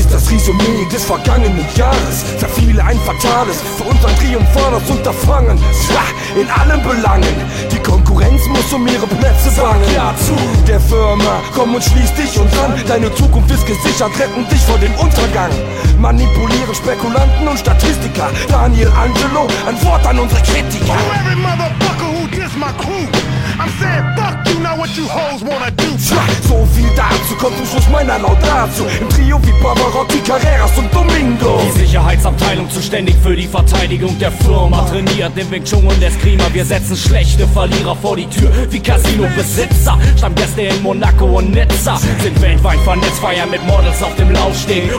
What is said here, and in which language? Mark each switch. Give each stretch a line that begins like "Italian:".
German: Resümee des vergangenen Jahres, zerfiel ein fatales, für unseren triumphales Unterfangen, in allen Belangen, die Konkurrenz muss um ihre Plätze bangen. Ja zu der Firma, komm und schließ dich uns an, deine Zukunft ist gesichert, retten dich vor dem Untergang. Manipuliere Spekulanten und Statistiker, Daniel Angelo, ein Wort an unsere Kritiker.
English: For every motherfucker who diss my crew, I'm saying fuck you, now what you hoes wanna do.
German: Tja, so viel dazu, kommt zum Schluss meiner Laudatio. Im Trio wie Barbarotti, Carreras und Domingo. Die Sicherheitsabteilung zuständig für die Verteidigung der Firma. Trainiert den Wing Chun und Eskrima. Wir setzen schlechte Verlierer vor die Tür wie Casino-Besitzer. Stammgäste in Monaco und Nizza sind weltweit vernetzt, feiern mit Models auf dem Laufsteg.